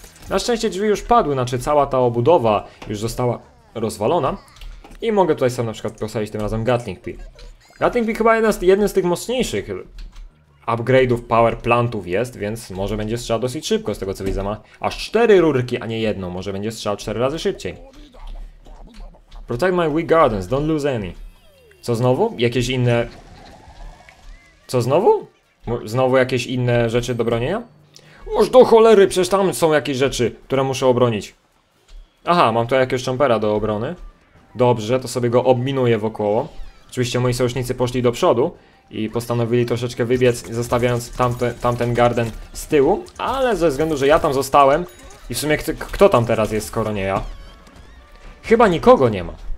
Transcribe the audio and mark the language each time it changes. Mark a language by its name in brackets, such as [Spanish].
[Polish] Na szczęście drzwi już padły, znaczy cała ta obudowa już została rozwalona i mogę tutaj sam na przykład posadzić tym razem Gatling Pi. Gatling Pi chyba jeden z tych mocniejszych upgrade'ów power plantów jest, więc może będzie strzał dosyć szybko, z tego co widzę ma aż 4 rurki, a nie jedną, może będzie strzał 4 razy szybciej. [English] Protect my weak gardens, don't lose any. [Polish] Co znowu? Jakieś inne... Co znowu? Znowu jakieś inne rzeczy do bronienia? Może do cholery, przecież tam są jakieś rzeczy, które muszę obronić. Aha, mam tu jakiegoś chompera do obrony. Dobrze, to sobie go obminuję wokoło. Oczywiście moi sojusznicy poszli do przodu i postanowili troszeczkę wybiec, zostawiając tamten garden z tyłu, ale ze względu, że ja tam zostałem i w sumie kto tam teraz jest, skoro nie ja? Chyba nikogo nie ma.